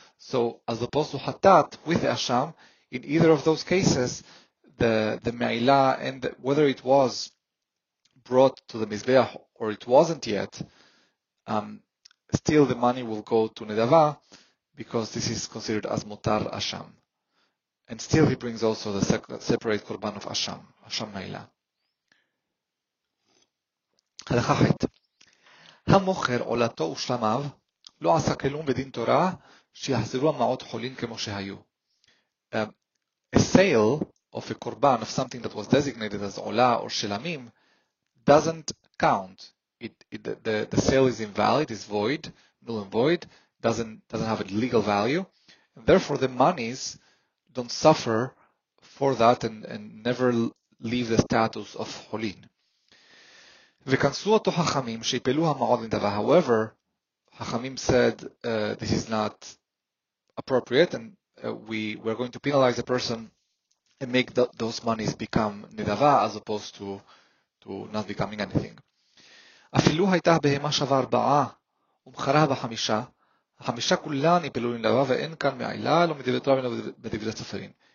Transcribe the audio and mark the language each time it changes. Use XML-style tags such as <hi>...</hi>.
<en>So, as opposed to Hatat with the Asham, in either of those cases, the Me'ila, and whether it was brought to the Mizbeach or it wasn't yet, still the money will go to Nedava, because this is considered as Mutar Asham. And still he brings also the separate Korban of Asham, Asham Me'ila.</en> <he>הלכה חית. המוכר עולתו ושלמיו לא עשה כלום בדין תורה שיחזרו המעות חולין כמו שהיו.</he> <en>A sale of a korban, of something that was designated as עולה or שלמים, doesn't count. The sale is invalid, is void, null and void, doesn't have a legal value. And therefore, the monies don't suffer for that and never leave the status of חולין.</en> <he>וכנסו אותו חכמים שיפלו המעות נדבה.</he> <en>However, חכמים said this is not appropriate and we're going to penalize the person and make those monies become נדבה as opposed to not becoming anything.</en> <he>אפילו הייתה בהמה שווה ארבעה ומחרה בחמישה, החמישה כולן יפלו נדבה ואין כאן מעילה לא מדברת רבינו בדברי סופרים.</he>